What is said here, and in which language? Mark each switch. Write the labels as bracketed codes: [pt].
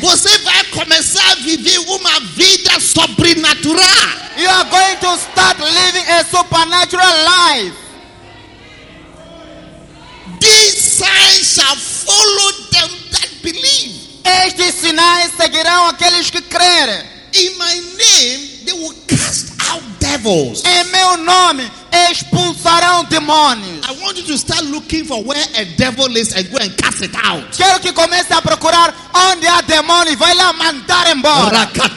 [pt] Você vai começar a viver uma vida sobrenatural. [en] You are going to start living a supernatural life. These signs shall follow them that believe. [pt] Estes sinais seguirão aqueles que crerem. [en] In my name, they will cast out devils. [pt] Em meu nome, expulsarão demônios. [en] I want you to start looking for where a devil is and go and cast it out. [pt] Quero que comece a procurar onde há demônio, vai lá mandar embora.